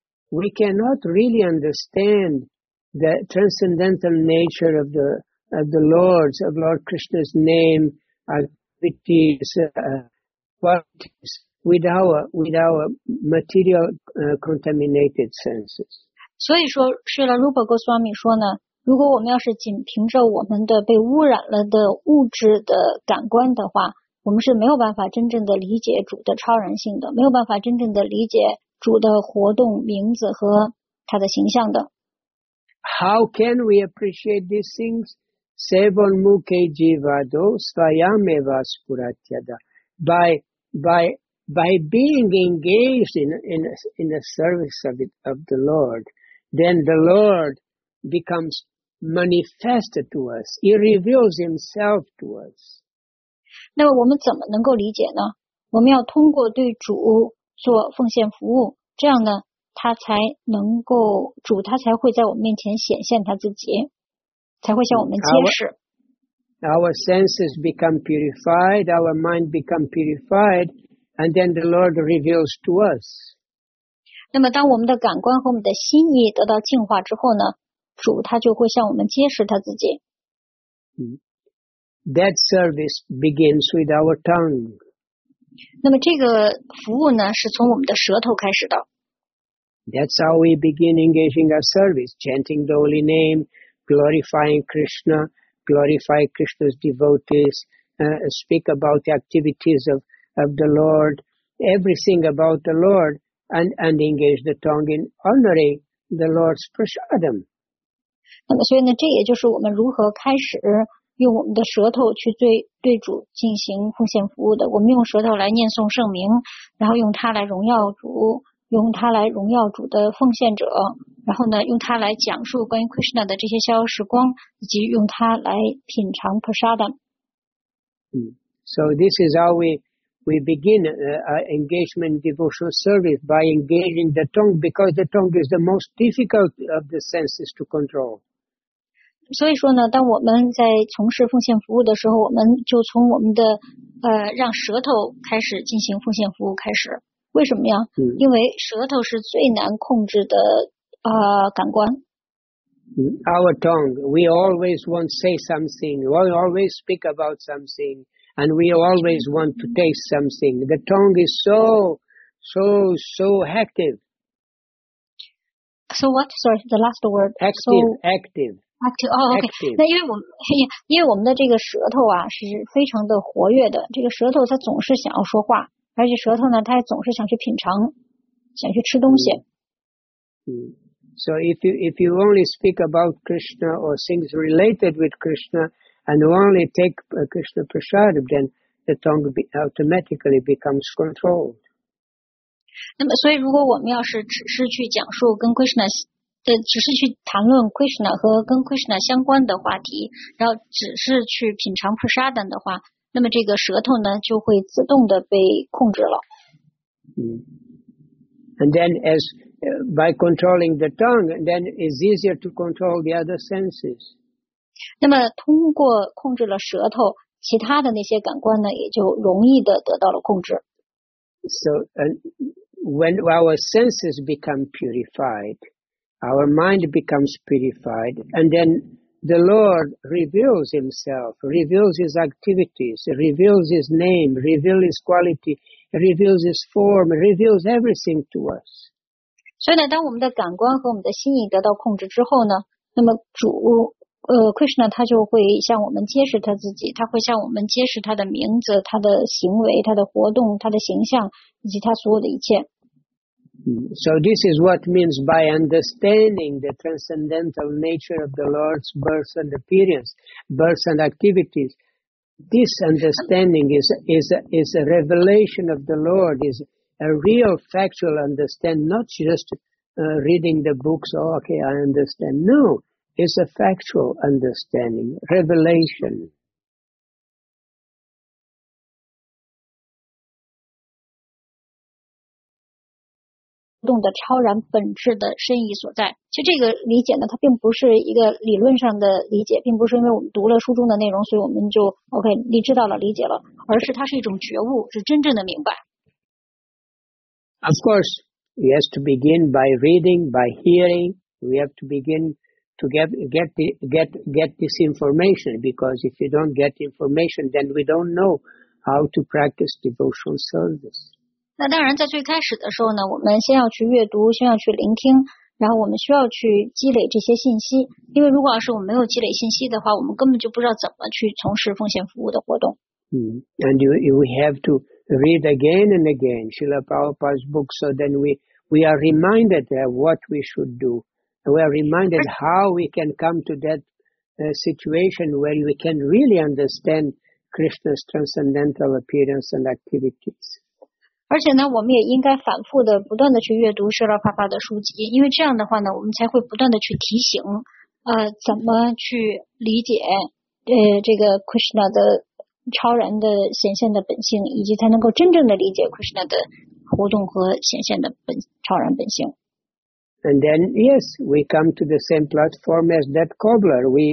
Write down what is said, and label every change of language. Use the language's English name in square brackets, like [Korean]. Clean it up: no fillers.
[English] We cannot really understand the transcendental nature of the Lord's, of Lord Krishna's name, activities, qualities, with our material contaminated senses. [Chinese] 所以说，是了 ，Rupa Goswami 说呢，如果我们要是仅凭着我们的被污染了的物质的感官的话，我们是没有办法真正的理解主的超然性的，没有办法真正的理解主的活动、名字和他的形象的。 [English] How can we appreciate these things? [Sanskrit] Sevan mukhe jivado svayameva spuratyada. [English] By being engaged in the service of the Lord, then the Lord becomes manifested to us. He reveals himself to us. [Chinese] 那么我们怎么能够理解呢？我们要通过对主做奉献服务，这样呢他才能够，主他才会在我们面前显现他自己，才会向我们揭示。 [English] Our senses become purified, our mind become purified, and then the Lord reveals to us. [Chinese] 那么当我们的感官和我们的心意得到净化之后呢，主他就会向我们揭示他自己。 [English] That service begins with our tongue. [Chinese] 那么这个服务呢，是从我们的舌头开始的。 [English] That's how we begin engaging our service, chanting the holy name, glorifying Krishna, glorify Krishna's devotees, speak about the activities of the Lord, everything about the Lord, and engage the tongue in honoring the Lord's prasadam. [Chinese] 那么所以呢，这也就是我们如何开始用我们的舌头去对主进行奉献服务的。我们用舌头来念诵圣名，然后用它来荣耀主，用它来荣耀主的奉献者，然后呢用它来讲述关于 Krishna 的这些逍遥时光，以及用它来品尝 prasadam。 [English] So this is how we begin our engagement devotional service, by engaging the tongue, because the tongue is the most difficult of the senses to control. [Chinese] 所以说呢，当我们在从事奉献服务的时候，我们就从我们的让舌头开始进行奉献服务开始。为什么呀？因为舌头是最难控制的感官。 [English] Our tongue, we always want to say something, we always speak about something, and we always want to taste something. The tongue is so, so, so active. So what? Sorry, the last word. Active, so, active. Active, oh, okay. [Chinese] Active. 那因为我们的这个舌头啊是非常的活跃的，这个舌头它总是想要说话，而且舌头呢它总是想去品尝，想去吃东西。 [English] So if you only speak about Krishna or things related with Krishna and only take Krishna prasadam, then the tongue automatically becomes controlled. [Chinese] 那么所以如果我们要是只是去讲述跟 Krishna 只是去谈论 Krishna 和跟 Krishna 相关的话题，然后只是去品尝 prasadam 的话，那么这个舌头呢就会自动的被控制了。 [English] And then as by controlling the tongue, then it's easier to control the other senses. [Chinese] 那么通过控制了舌头，其他的那些感官呢，也就容易的得到了控制。 [English] So, when our senses become purified, our mind becomes purified, and then the Lord reveals himself, reveals his activities, reveals his name, reveals his quality, reveals his form, reveals everything to us. [Chinese] 所以呢，当我们的感官和我们的心意得到控制之后呢，那么主Krishna 他就会向我们揭示他自己，他会向我们揭示他的名字、他的行为、他的活动、他的形象以及他所有的一切。 [English] So this is what means by understanding the transcendental nature of the Lord's birth and appearance, birth and activities. This understanding is a revelation of the Lord. Is a real factual understand, not just reading the books. Oh, okay, I understand. No, it's a factual understanding, revelation. Don't the [Chinese] 超然本质的深意所在。其实这个理解呢，它并不是一个理论上的理解，并不是因为我们读了书中的内容，所以我们就 OK， 你知道了，理解了，而是它是一种觉悟，是真正的明白。 [English] Of course, we have to begin by reading, by hearing. We have to begin to get this information, because if you don't get information, then we don't know how to practice devotional service. [Chinese] 那当然，在最开始的时候呢，我们先要去阅读，先要去聆听，然后我们需要去积累这些信息。因为如果要是我们没有积累信息的话，我们根本就不知道怎么去从事奉献服务的活动。 [English] And we have to read again and again Srila Prabhupada's book, so then we are reminded of what we should do. We are reminded how we can come to that situation where we can really understand Krishna's transcendental appearance and activities. [Chinese] 而且呢，我们也应该反复的、不断的去阅读Srila Prabhupada的书籍，因为这样的话呢，我们才会不断的去提醒，怎么去理解，这个 Krishna 的。超然的显现的本性，以及才能够真正的理解 Krishna 的活动和显现的超然本性。 [English] And then, yes, we come to the same platform as that cobbler.